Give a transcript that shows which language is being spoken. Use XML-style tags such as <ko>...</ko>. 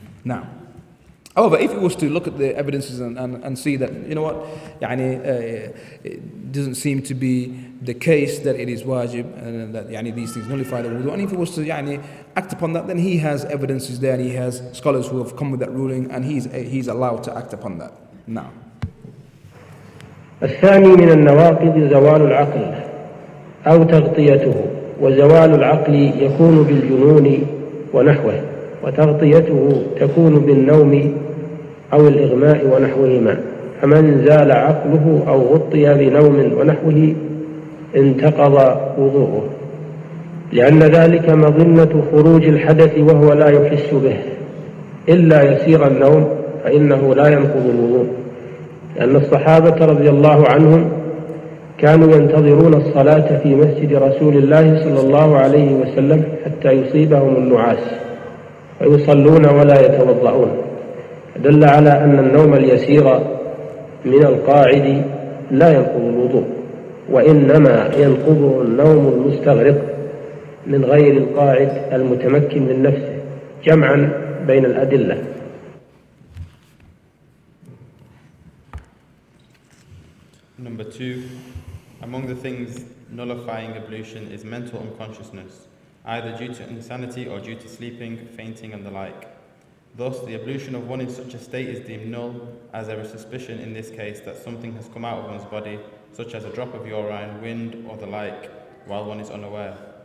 <en>Now, however, if he was to look at the evidences and see that, it doesn't seem to be the case that it is wajib and that these things nullify the wudu, and if he was to act upon that, then he has evidences there, and he has scholars who have come with that ruling, and he's allowed to act upon that now.</en> <ar>الثاني من النواقض زوال العقل أو تغطيته, وزوال العقل يكون بالجنون ونحوه, وتغطيته تكون بالنوم أو الإغماء ونحوهما. فمن زال عقله أو غطي بنوم ونحوه انتقض وضوءه, لأن ذلك مظنة خروج الحدث وهو لا يحس به. إلا يسير النوم فإنه لا ينقض الوضوء, لأن الصحابة رضي الله عنهم كانوا ينتظرون الصلاة في مسجد رسول الله صلى الله عليه وسلم حتى يصيبهم النعاس ويصلون ولا يتوضؤون. دل على أن النوم اليسير من القاعد لا ينقض الوضوء, وإنما ينقض النوم المستغرق من غير القاعد المتمكن من نفسه جمعا بين الأدلة.</ar> <en>Number two, among the things nullifying ablution is mental unconsciousness, either due to insanity or due to sleeping, fainting, and the like. Thus, the ablution of one in such a state is deemed null, as there is suspicion in this case that something has come out of one's body, such as a drop of urine, wind, or the like, while one is unaware.</en>